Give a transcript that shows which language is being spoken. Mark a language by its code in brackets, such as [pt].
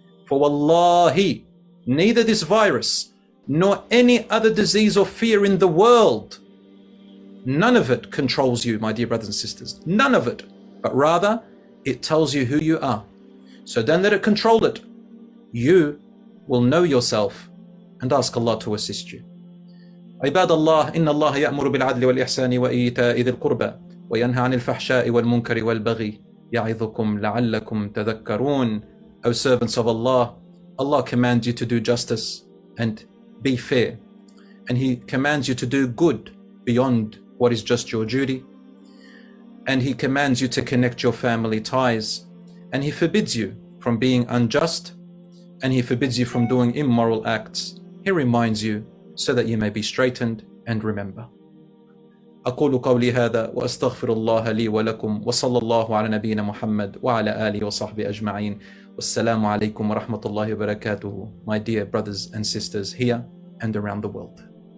[en] For wallahi, neither this virus nor any other disease or fear in the world, none of it controls you, my dear brothers and sisters. None of it. But rather, it tells you who you are. So don't let it control it. You will know yourself and ask Allah to assist you. [ar] عباد الله إن الله يأمر بالعدل والإحسان وإيتاء ذي القربى وينهى عن الفحشاء والمنكر والبغي يعظكم لعلكم تذكرون. [en] O servants of Allah, Allah commands you to do justice and be fair. And He commands you to do good beyond what is just your duty. And He commands you to connect your family ties. And He forbids you from being unjust. And He forbids you from doing immoral acts. He reminds you so that you may be straightened and remember. [ar] أقول قولي هذا وأستغفر الله لي ولكم وصلى الله على نبينا محمد وعلى آله وصحبه أجمعين والسلام عليكم ورحمة الله وبركاته. [en] My dear brothers and sisters here and around the world.